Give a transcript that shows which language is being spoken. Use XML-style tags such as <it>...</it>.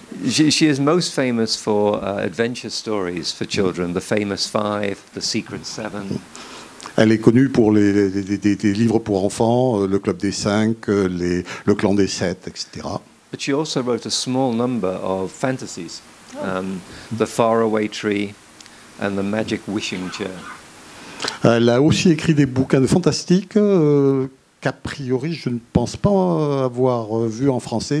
<en>She is most famous for adventure stories for children, The Famous Five, The Secret Seven.</en> <fr>Elle est connue pour les livres pour enfants, Le Club des Cinq, Le Clan des Sept, etc.</fr> <en>But she also wrote a small number of fantasies, The Faraway Tree and The Magic Wishing Chair.</en> <fr>Elle a aussi écrit des bouquins de fantastiques qu'a priori je ne pense pas avoir vu en français.</fr>